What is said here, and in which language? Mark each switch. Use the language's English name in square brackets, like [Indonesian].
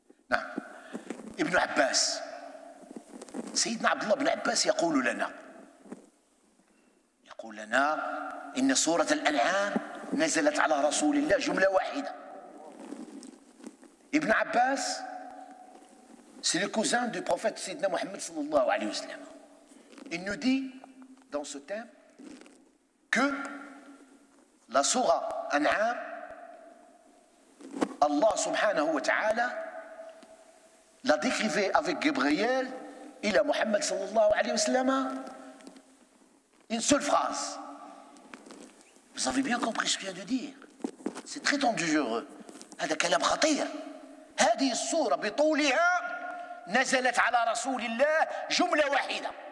[Arabic] نعم، ابن عباس، سيدنا عبد الله بن عباس يقول لنا، يقول لنا إن سورة الأنعام نزلت على رسول الله جملة واحدة. [French] ابن عباس c'est le cousin du prophète سيدنا محمد صلى الله عليه وسلم. Il nous dit dans ce thème que la sourate An'am, Allah subhanahu wa ta'ala l'a décrivé avec Gabriel et la Muhammad sallallahu alayhi wa sallam une seule phrase. Vous avez bien compris ce que je viens de dire. C'est très dangereux. [Arabic] هذا كلام خطير. هذه السورة بطولها نزلت على رسول الله جملة واحدة.